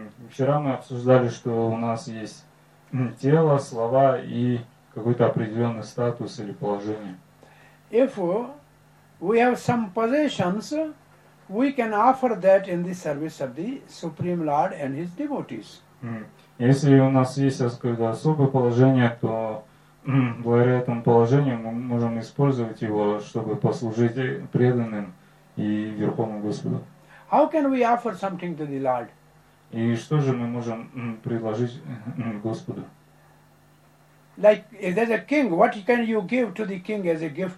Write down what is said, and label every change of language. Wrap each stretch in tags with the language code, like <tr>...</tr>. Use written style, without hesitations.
<ru>Вчера мы обсуждали, что у нас есть тело, слова и какой-то определенный статус или положение.</ru> <en>If we have some possessions, we can offer that in the service of the Supreme Lord and His devotees.</en> <ru>Если у нас есть, так сказать, особое положение, то благодаря этому положению мы можем использовать его, чтобы послужить преданным и Верховному Господу.</ru> <en>How can we offer something to the Lord?</en> <ru>И что же мы можем предложить Господу?</ru> <en>Like if there's a king, what can you give to the king as a gift?</en>